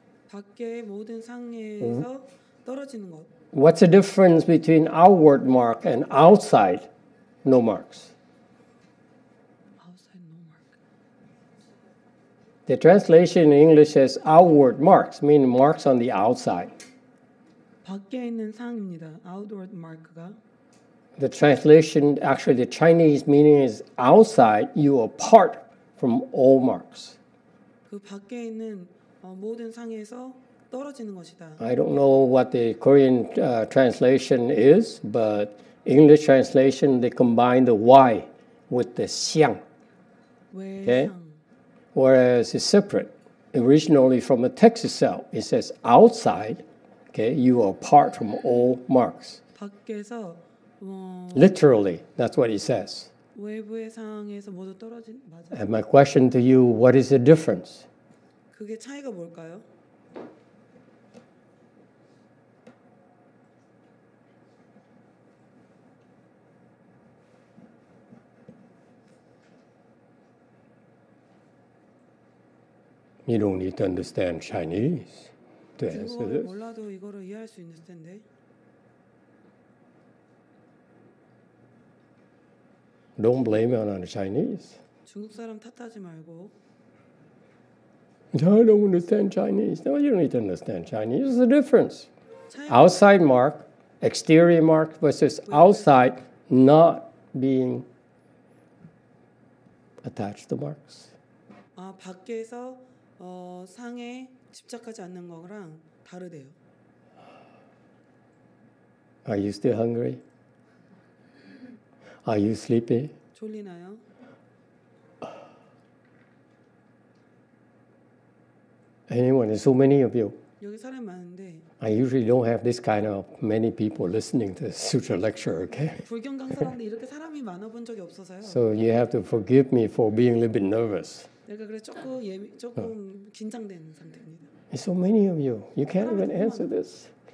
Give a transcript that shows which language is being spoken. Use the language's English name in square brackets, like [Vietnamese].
[Korean] 밖에 모든 상에서 떨어지는 것. [English] What's the difference between outward mark and outside no marks? Outside no mark. The translation in English says outward marks, meaning marks on the outside. [Korean] 밖에 있는 상입니다. [English] Outward mark [Korean] 가. [English] The translation, actually the Chinese meaning is outside, you are apart from all marks. [Korean] 그 밖에 있는 모든 상에서 떨어지는 것이다. [English] I don't know what the Korean translation is, but English translation, they combine the Y with the 相. Okay? Whereas it's separate. Originally from the text itself, it says outside, okay, you are apart from all marks. [Korean] 밖에서, [English] literally, that's what it says. [Korean] 외부의 상에서 모두 떨어진, 맞아. [English] And my question to you, what is the difference? [Korean] 그게 차이가 뭘까요? [English] You don't need to understand Chinese to answer this. [Korean] 몰라도 이거를 이해할 수 있을 텐데. [English] Don't blame it on the Chinese. [Korean] 중국 사람 탓하지 말고. [English] I don't understand Chinese. No, you don't need to understand Chinese. There's a difference. Outside mark, exterior mark versus outside not being attached to marks. [Korean] 아, 밖에서 상에 집착하지 않는 거랑 다르대요. [English] Are you still hungry? Are you sleepy? [Korean] 졸리나요? [English] Anyone, so many of you. [Korean] 여기 사람 많은데. [English] I usually don't have this kind of many people listening to sutra lecture, okay? [Korean] 불경 강사인데 이렇게 사람이 많아 본 적이 없어서요. [English] So you have to forgive me for being a little bit nervous. [Korean] 내가 그래 조금 긴장된 상태입니다. [English] So many of you, you can't even answer this.